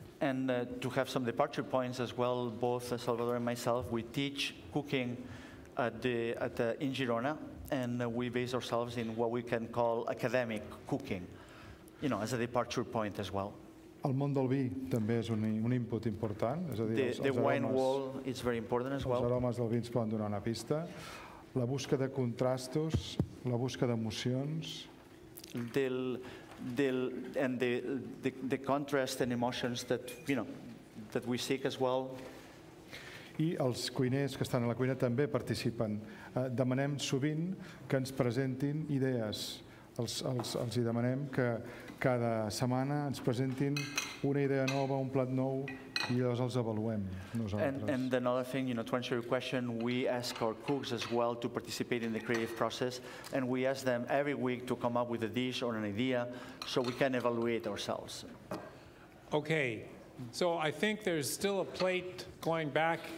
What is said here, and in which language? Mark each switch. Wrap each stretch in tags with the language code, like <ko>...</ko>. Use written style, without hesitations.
<en>And to have some departure points as well, both Salvador and myself, we teach cooking in Girona, and we base ourselves in what we can call academic cooking, you know, as a departure point as well.</en> <ca>El món del vi també és un input important, és a dir, els aromes del vi ens poden donar una pista. La busca de contrastos, la busca d'emocions.</ca> <en>The contrast and emotions that, you know, that we seek as well.</en> <ca>I els cuiners que estan a la cuina també participen. Demanem sovint que ens presentin idees. Els hi demanem que cada setmana ens presentin una idea nova, un plat nou, i llavors els avaluem nosaltres.</ca> <en>And another thing, you know, to answer your question, we ask our cooks as well to participate in the creative process, and we ask them every week to come up with a dish or an idea so we can evaluate ourselves. Okay, so I think there's still a plate going back.</en>